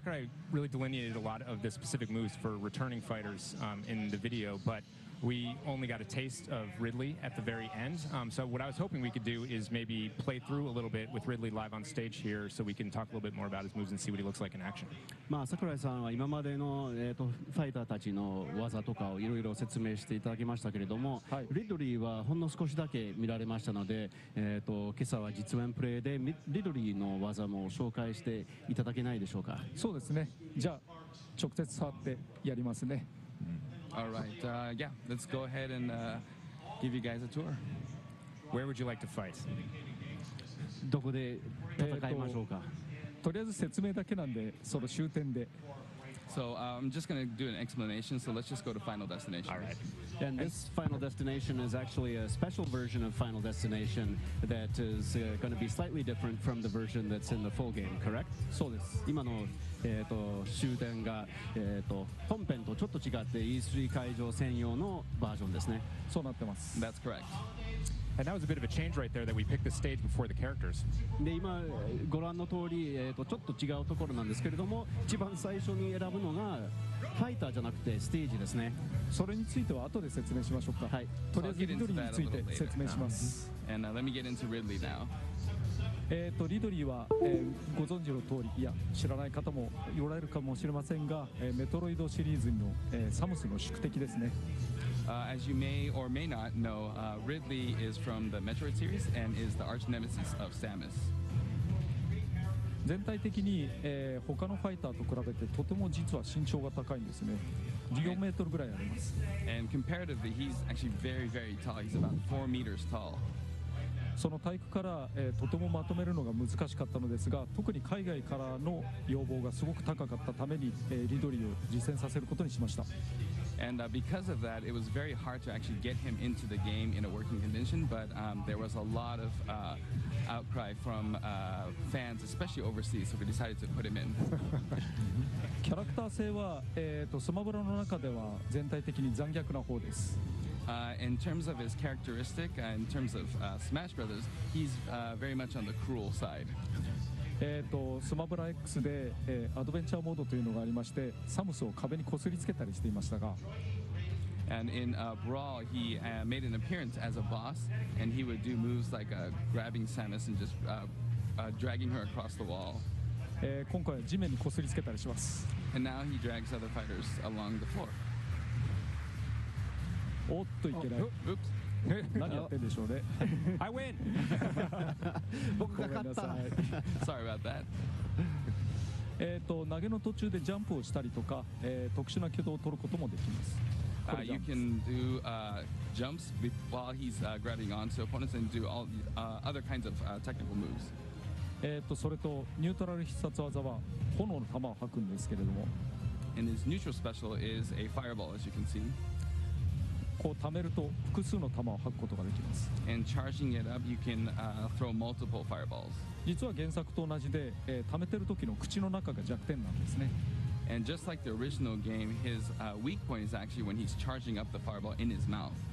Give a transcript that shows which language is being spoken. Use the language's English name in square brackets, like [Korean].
[English] Sakurai really delineated a lot of the specific moves for returning fighters in the video, but we only got a taste of Ridley at the very end. So what I was hoping we could do is maybe play through a little bit with Ridley live on stage here so we can talk a little bit more about his moves and see what he looks like in action. [Japanese] まあ、桜井さんは今までの、ファイターたちの技とかをいろいろ説明していただきましたけれども、はい、リドリーはほんの少しだけ見られましたので、今朝は実演プレイでリドリーの技も紹介していただけないでしょうか。そうですね。じゃあ直接触ってやりますね。 [English] All right, yeah, let's go ahead and give you guys a tour. Where would you like to fight? [Japanese] どこで戦いましょうか? とりあえず説明だけなんで、その終点で。 [English] So I'm just going to do an explanation, so let's just go to Final Destination. All right. And this Final Destination is actually a special version of Final Destination that is going to be slightly different from the version that's in the full game, correct? [Japanese] そうです。今の終点が本編とちょっと違って E3 会場専用のバージョンですね。そうなってます。 [English] That's correct. And that was a bit of a change right there that we picked the stage before the characters. [Japanese] で、今ご覧の通り、ちょっと違うところなんですけれども、一番最初に選ぶのがファイターじゃなくてステージですね。それについては後で説明しましょうか。はい。とりあえずリドリーについて説明します。 [English] And let me get into Ridley now. [Japanese] リドリーは、ご存知の通り、いや、知らない方もおられるかもしれませんが、メトロイドシリーズの、サムスの宿敵ですね。 [English] As you may or may not know, Ridley is from the Metroid series and is the arch nemesis of Samus. [Japanese] 全体的に、他のファイターと比べてとても実は身長が高いんですね。 4メートルぐらいあります。 [English] And comparatively, he's actually very, very tall. He's about 4 meters tall. [Japanese] その体育から、とてもまとめるのが難しかったのですが、特に海外からの要望がすごく高かったために、リドリーを実践させることにしました。 [English] And because of that, it was very hard to actually get him into the game in a working condition, but there was a lot of outcry from fans, especially overseas, so we decided to put him in. [Japanese] キャラクター性は、スマブラの中では全体的に残虐な方です。 [English] In terms of his characteristic, in terms of Smash Brothers, he's very much on the cruel side. [Japanese] スマブラ X で、アドベンチャーモードというのがありまして、サムスを壁にこすりつけたりしていましたが、 [English] And in Brawl, he made an appearance as a boss, and he would do moves like grabbing Samus and just dragging her across the wall. [Japanese] 今回は地面にこすりつけたりします。 [English] And now he drags other fighters along the floor. [Japanese] おっといけない。 [English] Oops. [Japanese] 何やってんでしょうね。 [English] I win! [Japanese] 僕が勝った。 [English] Sorry about that. [Japanese] 投げの途中でジャンプをしたりとか、特殊な挙動を取ることもできます。 [English] You can do jumps while he's grabbing onto opponents and do all other kinds of technical moves. [Japanese] それとニュートラル必殺技は炎の弾を吐くんですけれども。 [English] And his neutral special is a fireball, as you can see. [Japanese] こう貯めると複数の弾を吐くことができます。 [English] And charging it up, you can throw multiple fireballs. [Japanese] 実は原作と同じで、貯めてる時の口の中が弱点なんですね。 [English] And just like the original game, his weak point is actually when he's charging up the fireball in his mouth.